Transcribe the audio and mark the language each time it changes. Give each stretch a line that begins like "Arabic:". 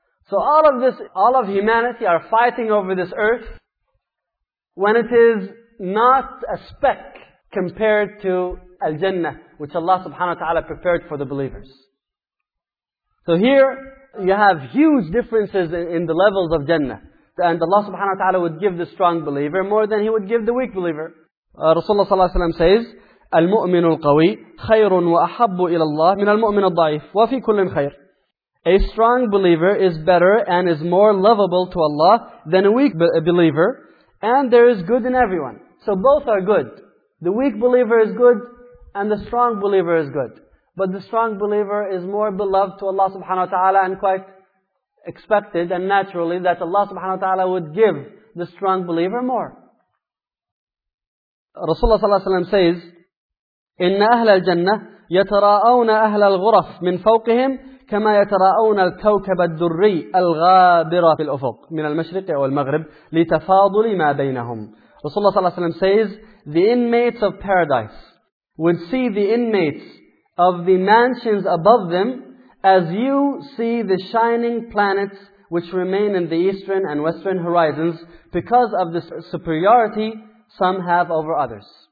English: So all of this, all of humanity are fighting over this earth when it is not a speck compared to Al-Jannah, which Allah subhanahu wa ta'ala prepared for the believers. So here, you have huge differences in the levels of Jannah. And Allah subhanahu wa ta'ala would give the strong believer more than He would give the weak believer. Rasulullah sallallahu alayhi wa sallam says,
Arabic: المؤمن القوي خير وأحب إلى الله من المؤمن الضعيف وفي كل خير.
English: A strong believer is better and is more lovable to Allah than a weak believer, and there is good in everyone. So both are good. The weak believer is good and the strong believer is good. But the strong believer is more beloved to Allah subhanahu wa ta'ala, and quite expected and naturally that Allah subhanahu wa ta'ala would give the strong believer more. Rasulullah sallallahu alayhi wa sallam says,
Arabic: إِنَّ أَهْلَ الْجَنَّةِ يَتَرَاءَوْنَ أَهْلَ الْغُرَفِ مِنْ فَوْقِهِمْ كَمَا يَتَرَاءَوْنَ الْكَوْكَبَ الدُّرِّيِّ الْغَابِرَ فِي الْأُفُقِ مِنَ الْمَشْرِقِ وَالْمَغْرِبِ لِتَفَاضُلِ مَا بَيْنَهُمْ.
English: Rasulullah sallallahu alayhi wa sallam says, the inmates of paradise would see the inmates of the mansions above them as you see the shining planets which remain in the eastern and western horizons because of the superiority some have over others.